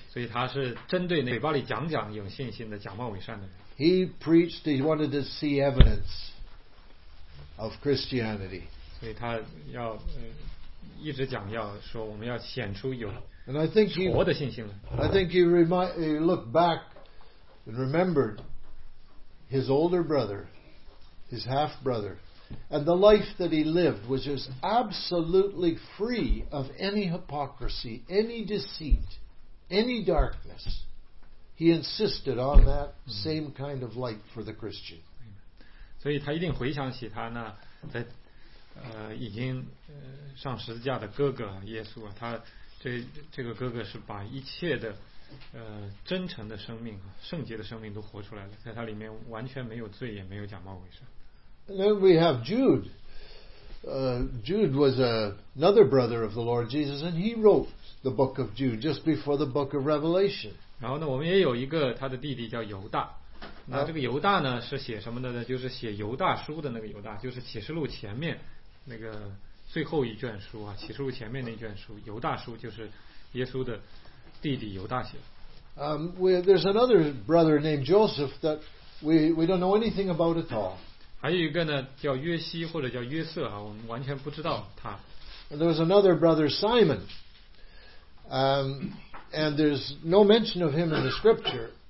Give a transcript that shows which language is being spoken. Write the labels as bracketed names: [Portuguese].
[Chinese] 所以他是针对那嘴巴里讲讲有信心的假冒伪善的人。 [English] He preached. He wanted to see evidence of Christianity. [Chinese] 所以他要一直讲要说我们要显出有活的信心来。 [English] I think he looked back and remembered his older brother, his half brother, and the life that he lived, which is absolutely free of any hypocrisy, any deceit, any darkness. He insisted on that same kind of light for the Christian. [Chinese] 所以他一定回想起他那在已经上十字架的哥哥耶稣啊，他这个哥哥是把一切的真诚的生命啊，圣洁的生命都活出来了，在他里面完全没有罪，也没有假冒伪善。 [English] And then we have Jude. Jude was another brother of the Lord Jesus, and he wrote the book of Jude just before the book of Revelation. [Chinese] 然后呢，我们也有一个他的弟弟叫犹大。那这个犹大呢，是写什么的呢？就是写犹大书的那个犹大，就是启示录前面那个最后一卷书啊，启示录前面那卷书，犹大书就是耶稣的弟弟犹大写的。 [English] There's another brother named Joseph that we don't know anything about at all. [Chinese] 还有一个呢，叫约西或者叫约瑟啊，我们完全不知道他。 [English] And there's another brother Simon. And there's no mention of him in the scripture.